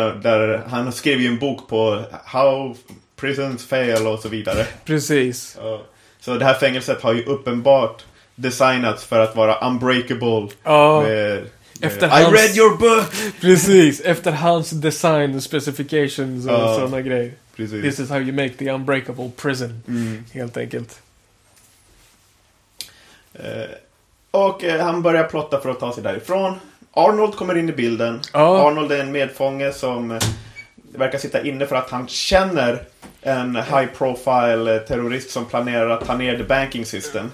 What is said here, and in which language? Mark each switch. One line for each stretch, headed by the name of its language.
Swedish: Där han skrev ju en bok på
English: how prisons fail
Swedish: och så vidare. Precis. Ja. Så det här fängelset har ju uppenbart designats för att vara unbreakable. Ja.
English: I read your book!
Swedish: Precis, efter hans design specifications och sådana grejer. Precis.
English: This is how you make the unbreakable prison. Mm.
Swedish: Helt enkelt. Och han börjar plotta för att ta sig därifrån. Arnold kommer in i bilden. Oh. Arnold är en medfånge som verkar sitta inne för att han känner en
English: high profile terrorist
Swedish: som planerar att ta ner
English: the banking system.